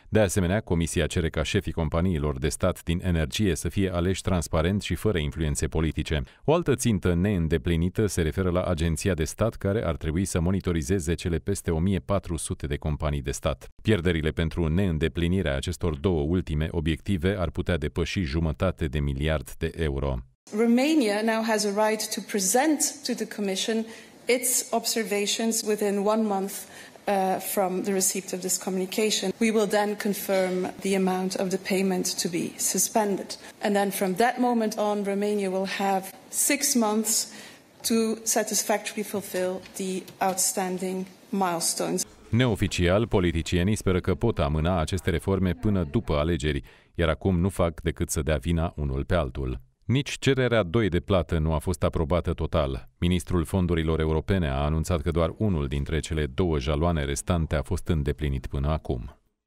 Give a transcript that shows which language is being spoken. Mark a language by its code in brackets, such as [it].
[ro] De asemenea, Comisia cere ca șefii companiilor de stat din energie să fie aleși transparent și fără influențe politice. O altă țintă neîndeplinită se referă la Agenția de Stat, care ar trebui să monitorizeze cele peste 1400 de companii de stat. Pierderile pentru neîndeplinirea acestor două ultime obiective ar putea depăși jumătate de miliard de euro. [en] Romania now has a right to present to the Commission its observations within one month from the receipt of this communication. We will then confirm the amount of the payment to be suspended. And then from that moment on, Romania will have 6 months to satisfactorily fulfill the outstanding milestones. [ro] Neoficial, politicienii speră că pot amâna aceste reforme până după alegeri, iar acum nu fac decât să dea vina unul pe altul. Nici cererea 2 de plată nu a fost aprobată total. Ministrul Fondurilor Europene a anunțat că doar unul dintre cele două jaloane restante a fost îndeplinit până acum.